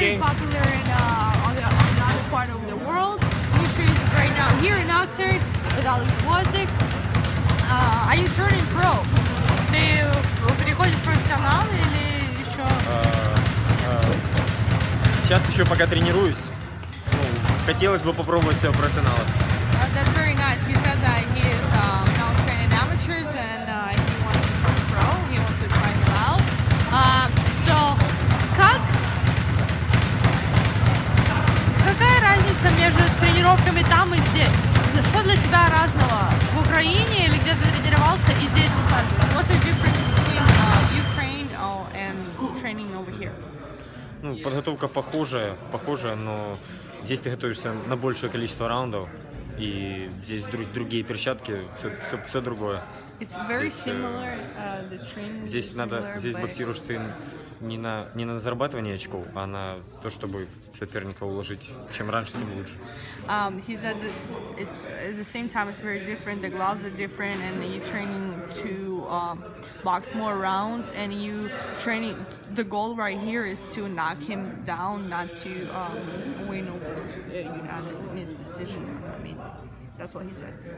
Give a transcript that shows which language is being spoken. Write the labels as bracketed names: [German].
[English] Very popular in another part of the world, which is right now here in Oxford with Alex Wozniak. Are you turning pro? [Russian] Ты переходишь в профессионал или еще? Сейчас еще пока тренируюсь. Ну, хотелось бы попробовать себя в профессионалах. [English] That's very nice. He said that he is now training amateurs and he wants to turn pro. He wants to try it out. So, [Russian] как? Какая разница между тренировками там и здесь? Что для тебя разного? В Украине или где ты тренировался и здесь? [English] What's the difference between Ukraine and training over here? [Russian] Ну, подготовка похожая, но здесь ты готовишься на большее количество раундов, и здесь другие перчатки, все другое. [English] It's very similar, the training. [Russian] Здесь боксируешь ты не на зарабатывание очков, а на то, чтобы соперника уложить. Чем раньше, тем лучше. [English] He said it's at the same time it's very different, the gloves are different, and you training to box more rounds, and you training, the goal right here is to knock him down, not to win over his decision. That's what he said.